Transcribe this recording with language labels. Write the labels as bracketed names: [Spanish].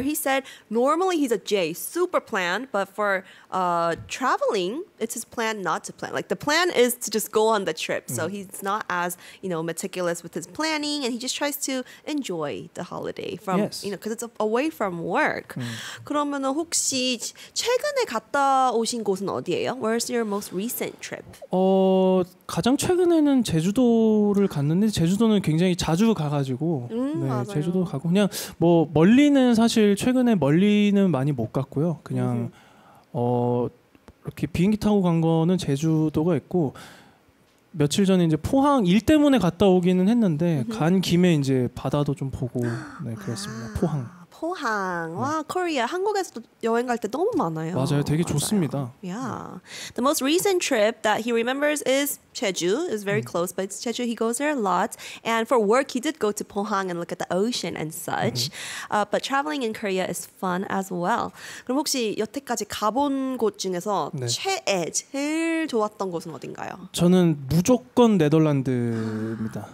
[English] He said normally he's a J, super planned, but for traveling, it's his plan not to plan. Like the plan is to just go on the trip. So he's not as you know meticulous with his planning, and he just tries to enjoy the holiday from yes. you know because it's away from work. [Korean] 그러면은 혹시 최근에 갔다 오신 곳은 어디예요? [English] Where's your most recent trip? [Korean] 가장 최근에는 제주도를 갔는데 제주도는 굉장히 자주 가가지고 네, 제주도 가고 그냥 뭐 멀리는 사실 최근에 멀리는 많이 못 갔고요. 그냥 이렇게 비행기 타고 간 거는 제주도가 있고 며칠 전에 이제 포항 일 때문에 갔다 오기는 했는데 간 김에 이제 바다도 좀 보고 네, 그랬습니다. 포항. 포항, 와, 네. 코리아, 한국에서도 여행 갈 때 너무 많아요. 맞아요, 되게 맞아요. 좋습니다. [English] Yeah, the most recent trip that he remembers is Jeju. It's very close, but it's Jeju. He goes there a lot. And for work, he did go to Pohang and look at the ocean and such. But traveling in Korea is fun as well. [Korean] 그럼 혹시 여태까지 가본 곳 중에서 네. 최애, 제일 좋았던 곳은 어딘가요? 저는 무조건 네덜란드입니다.